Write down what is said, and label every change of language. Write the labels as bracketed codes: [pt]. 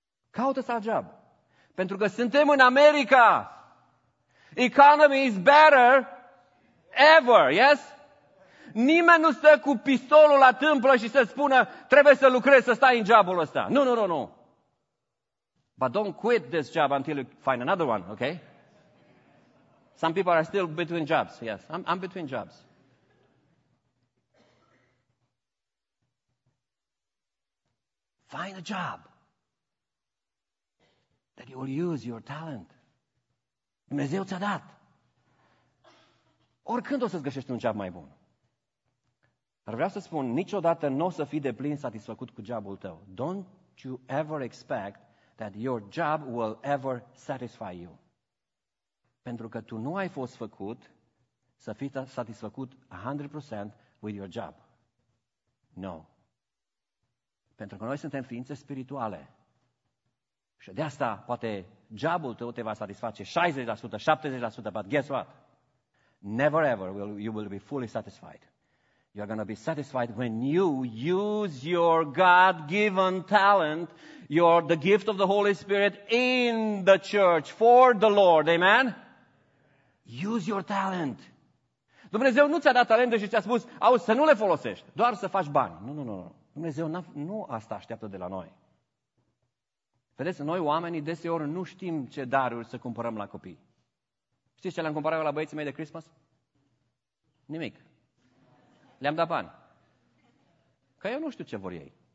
[ro] Caută-ți alt job. Pentru că suntem în America. [en] Economy is better ever, yes? [ro] Nimeni nu stă cu pistolul la tâmplă și să spună, trebuie să lucrezi, să stai în jobul ăsta. Nu. [en] But don't quit this job until you find another one, okay? Some people are still between jobs, yes. I'm between jobs. Find a job that you will use your talent. [ro] Dumnezeu ți-a dat. Oricând o să-ți găsești un job mai bun. Dar vreau să spun, niciodată nu o să fii deplin satisfăcut cu jobul tău. [en] Don't you ever expect that your job will ever satisfy you. [ro] Pentru că tu nu ai fost făcut să fii satisfăcut 100% [en] with your job. [ro] No. Pentru că noi suntem ființe spirituale. Și de asta poate jobul tău te va satisface 60%, 70%, [en] but guess what? Never ever you will be fully satisfied. You are going to be satisfied when you use your God-given talent, the gift of the Holy Spirit in the church for the Lord. Amen? Use your talent. [ro] Dumnezeu nu ți-a dat talente și ți-a spus, auzi, să nu le folosești, doar să faci bani. Nu. Dumnezeu nu asta așteaptă de la noi. Vedeți, noi oamenii deseori nu știm ce daruri să cumpărăm la copii. Știți ce le-am cumpărat eu la băieții mei de Christmas? Nimic. Le-am dat bani. Că eu nu știu ce vor ei.